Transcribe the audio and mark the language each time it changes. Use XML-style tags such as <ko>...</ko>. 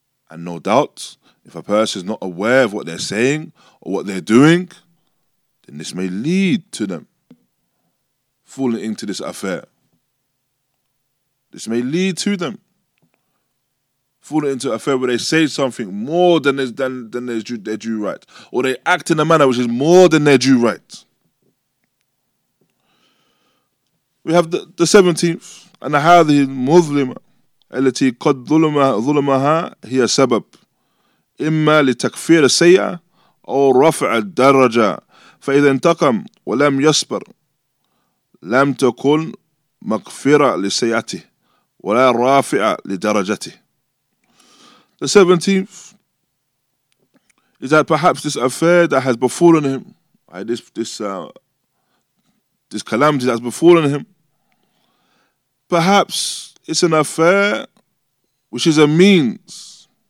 <en>And no doubt, if a person is not aware of what they're saying or what they're doing, then this may lead to them falling into this affair. This may lead to them falling into an affair where they say something more than their due right, or they act in a manner which is more than their due right. We have the 17th, and</en> <ar>هذه المظلمة التي قد ظلمها هي سبب إما لتكفير السيئة أو رفع الدرجة فإذا انتقم ولم يصبر لم تكن مغفرة لسيئته ولا رافعة لدرجته.</ar> <en>The 17th is that perhaps this affair that has befallen him, this calamity that has befallen him, perhaps it's an affair which is a means.</en>